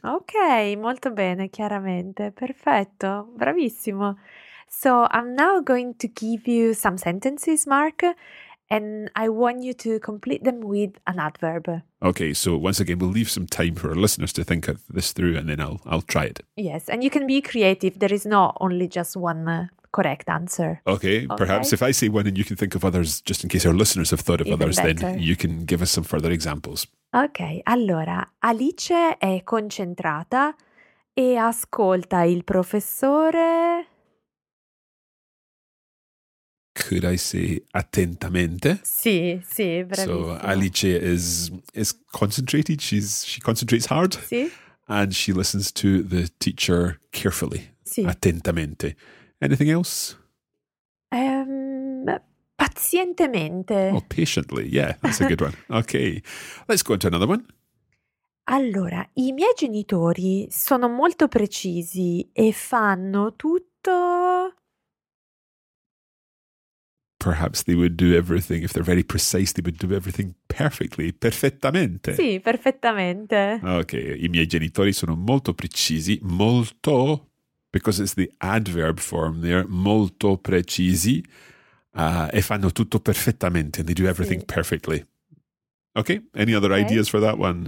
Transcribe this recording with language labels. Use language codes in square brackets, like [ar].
[it] Ok, molto bene, chiaramente. Perfetto, bravissimo. [en] So I'm now going to give you some sentences, Mark, and I want you to complete them with an adverb. Okay, so once again, we'll leave some time for our listeners to think of this through and then I'll try it. Yes, and you can be creative. There is not only just one correct answer. Okay, perhaps if I say one and you can think of others, just in case our listeners have thought of others, then you can give us some further examples. [it] Ok, allora, Alice è concentrata e ascolta il professore... [en] Could I say attentamente? [it] Sì, sì, bravissimo. [en] So Alice is concentrated, she concentrates hard. [it] Sì. [en] And she listens to the teacher carefully, [it] sì. [en] Attentamente. Anything else? [it] Pazientemente. [en] Oh, patiently, yeah, that's a good one. Okay, let's go on to another one. [it] Allora, i miei genitori sono molto precisi e fanno tutto... [en] Perhaps they would do everything, if they're very precise, they would do everything perfectly, perfettamente. [it] Sì, perfettamente. Okay, i miei genitori sono molto precisi, molto, [en] because it's the adverb form there, [it] molto precisi, e fanno tutto perfettamente, [en] and they do everything [it] sì. [en] perfectly. Okay, any other ideas for that one?